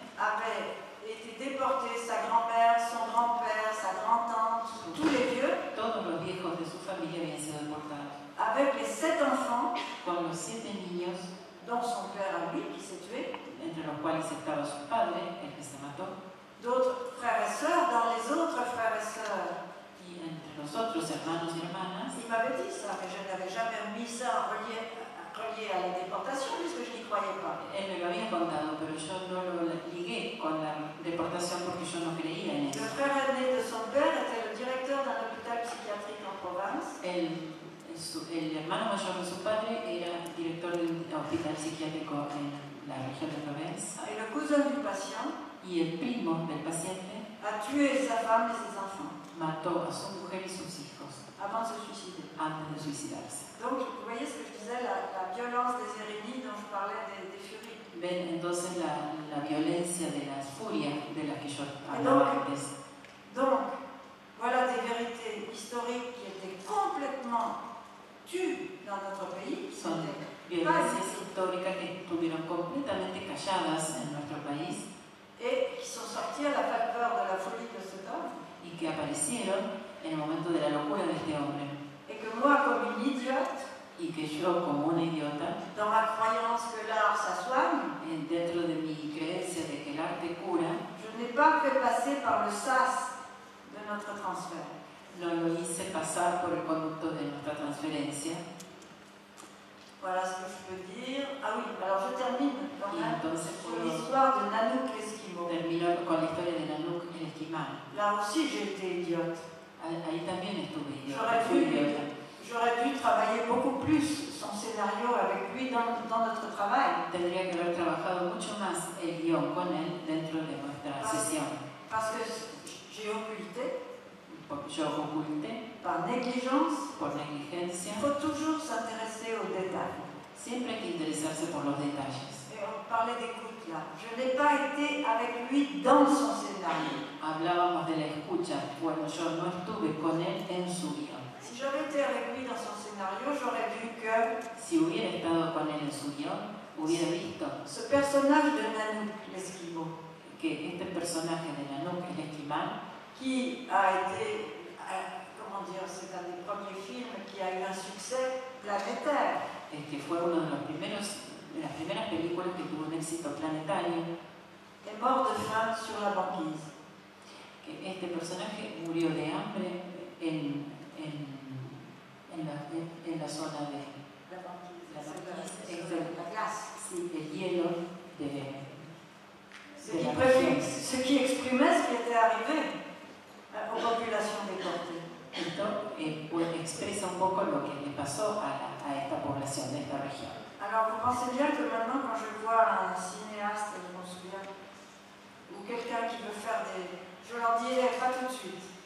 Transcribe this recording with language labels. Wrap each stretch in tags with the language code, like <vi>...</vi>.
<fr>avait été déportée, sa grand-mère, son grand-père, sa grand-tante, tous les vieux,</fr> <es>todos los viejos de su familia habían sido deportados,</es> <fr>avec les sept enfants,</fr> <es>con los siete niños,</es> <fr>dont son père à lui, qui s'est tué,</fr> <es>entre los cuales estaba su padre, el que se mató.</es> <fr>D'autres frères et sœurs, dans les autres frères et sœurs.</fr> <es>Y entre los otros hermanos y hermanas.</es> <fr>Il m'avait dit ça, mais je n'avais jamais mis ça en relié à la déportation, puisque je n'y croyais pas.</fr> <es>Él me lo había contado, pero yo no lo ligué con la deportación porque yo no creía en eso.</es> <fr>Le frère aîné de son père était le directeur d'un hôpital psychiatrique en province.</fr> <es>El hermano mayor de su padre era director de un hospital psiquiátrico en la región de Provenza.</es> <fr>Et le cousin du patient,</fr> <es>y el primo del paciente,</es> <fr>a tué sa femme et ses enfants.</fr> <es>mató a su mujer y sus hijos</es> <fr>avant de se suicider.</fr> <es>Antes de suicidarse.</es> <fr>Donc, vous voyez ce que je disais, la violence des hérénies dont je parlais des furies.</fr> <es>Ven, entonces la violencia de las furias de la que yo hablaba antes.</es> <fr>Donc, voilà des vérités historiques qui étaient complètement tues dans notre pays.</fr> <es>Son violencias históricas que estuvieron completamente calladas en nuestro país.</es> <fr>Et qui sont sortis à la faveur de la folie de cet homme.</fr> <es>Y que aparecieron en el momento de la locura de este hombre.</es> <fr>Et que moi, comme une idiote,</fr> <es>y que yo, como una idiota,</es> <fr>dans ma croyance que l'art ça soigne,</fr> <es>en dentro de mi creencia de que el arte cura,</es> <fr>je n'ai pas fait passer par le sas de notre transfert.</fr> <es>No lo hice pasar por el conducto de nuestra transferencia.</es> <fr>Voilà ce que je peux dire. Ah oui, alors je termine quand même sur l'histoire de Nanouk l'Esquimau.</fr> <es>Termino con la historia de Nanouk l'Esquimau.</es> <fr>Là aussi j'étais idiote.</fr> <es>Ahí también estuve idiota.</es> <fr>J'aurais dû travailler beaucoup plus son scénario avec lui dans notre travail.</fr> <es>Tendría que haber trabajado mucho más el guión con él dentro de nuestra sesión.</es> <fr>Parce que j'ai occulté. Je reculte. Par négligence.</fr> <es>Por negligencia.</es> <fr>Il faut toujours s'intéresser aux détails.</fr> <es>Siempre hay que interesarse por los detalles.</es> <fr>Et on parlait d'écoute là. Je n'ai pas été avec lui dans son scénario.</fr> <es>Hablábamos de la escucha. Bueno, yo no estuve con él en su guión.</es> <fr>Si j'avais été avec lui dans son scénario, j'aurais vu que.</fr> <es>Si hubiera estado con él en su guión, hubiera visto.</es> <fr>Ce personnage de Nanouk l'Esquimau.</fr> <es>Que este personaje de Nanouk l'Esquimau.</es> <fr>Qui a été, comment dire, c'est un des premiers films qui a eu un succès planétaire. Et qui fut</fr> <es>une des premières películas qui a eu un éxito planétaire.</es> <fr>Est mort de faim sur la banquise.</fr> <es>Que este personnage murió de hambre en la zona de.</es> <fr>La banquise. La glace.</fr> <es>Sí, el hielo de.</es> <fr>Ce qui exprimait ce qui était arrivé. Aux populations déportées.</fr> <es>Donc, pues, expresa un poco lo que le pasó a esta población de esta región.</es> <fr>Alors, vous pensez bien que maintenant, quand je vois un cinéaste, je m'en souviens, ou quelqu'un qui veut faire des. Je leur dis, pas tout de suite.</fr>